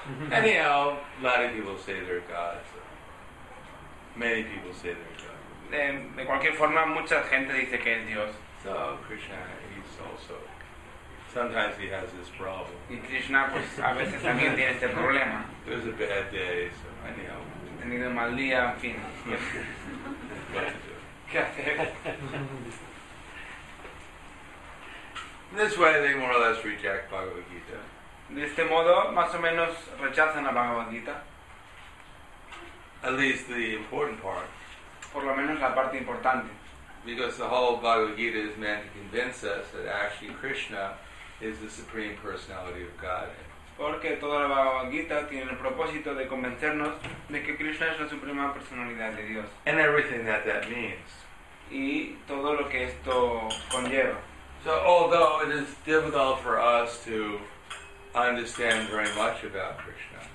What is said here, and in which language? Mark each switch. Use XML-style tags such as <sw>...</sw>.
<en>Anyhow, a lot of people say they're gods. Many people say they're gods.</en> <es>De cualquier forma, mucha gente dice que es Dios.</es> <en>So Krishna, he's also. Sometimes he has this problem.</en> <es>Y Krishna, pues a veces también tiene este problema.</es> <en>It was a bad day, so anyhow.</en> <es>Tenido mal día, en fin.</es> <en>What to do?</en> <es>¿qué hacer?</es> <en>This way they more or less reject Bhagavad Gita.</en> <es>De este modo, más o menos rechazan la Bhagavad Gita.</es> <en>At least the important part.</en> <es>Por lo menos la parte importante.</es> <en>Because the whole Bhagavad Gita is meant to convince us that actually Krishna is the Supreme Personality of Godhead.</en> <es>Porque toda la Bhagavad Gita tiene el propósito de convencernos de que Krishna es la Suprema Personalidad de Dios.</es> <en>And everything that that means.</en> <es>Y todo lo que esto conlleva.</es> <en>So although it is difficult for us to understand very much about Krishna.</en>